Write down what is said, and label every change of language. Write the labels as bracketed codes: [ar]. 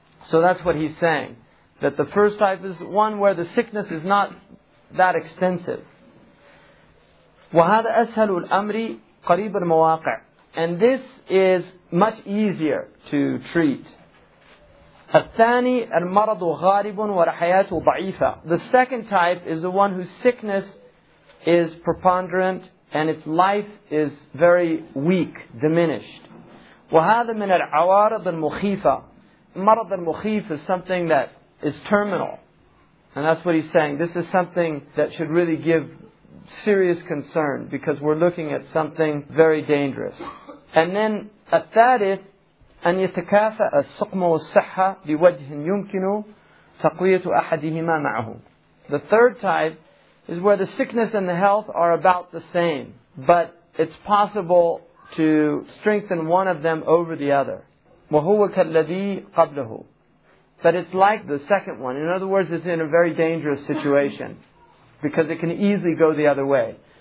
[en] So that's what he's saying. That the first type is one where the sickness is not that extensive. [ar] وَهَذَا أَسْهَلُ الْأَمْرِ قَرِيبَ الْمَوَاقِعِ. [en] And this is much easier to treat. [ar] الثاني المرض غالب والحياة ضعيفة. [en] The second type is the one whose sickness is preponderant and its life is very weak, diminished. [ar] وهذا من العوارض المخيفة. مرض المخيف [en] is something that is terminal. And that's what he's saying. This is something that should really give serious concern, because we're looking at something very dangerous. And then [ar] الثالث أن يتكافأ السقم والصحة بوجه يمكن تقوية أحدهما معه. [en] The third type is where the sickness and the health are about the same, but it's possible to strengthen one of them over the other. [ar] وَهُوَ كَالَّذِي قَبْلَهُ. [en] But it's like the second one. In other words, it's in a very dangerous situation, because it can easily go the other way.